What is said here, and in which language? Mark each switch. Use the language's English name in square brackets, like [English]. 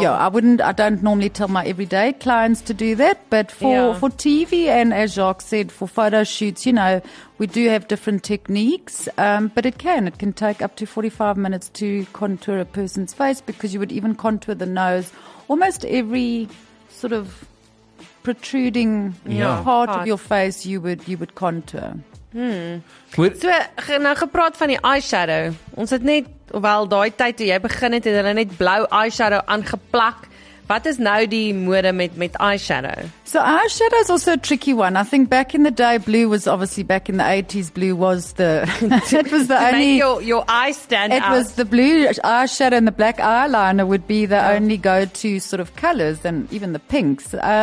[English] Yeah, I don't normally tell my everyday clients to do that, but for TV and, as Jacques said, for photo shoots, you know, we do have different techniques, but it can take up to 45 minutes to contour a person's face, because you would even contour the nose, almost every sort of protruding part of your face you would contour. [Afrikaans] So, nou gepraat van die eyeshadow. Ons het net, wel, daai tyd toe jy begin het, het hulle net blou eyeshadow aangeplak. Wat is nou die mode met eyeshadow? [English] So eyeshadow is also a tricky one. I think back in the day, blue was obviously back in the 80s, blue was the... it was the only... your eye stand out. It was the blue eyeshadow and the black eyeliner would be the only go-to sort of colors, and even the pinks.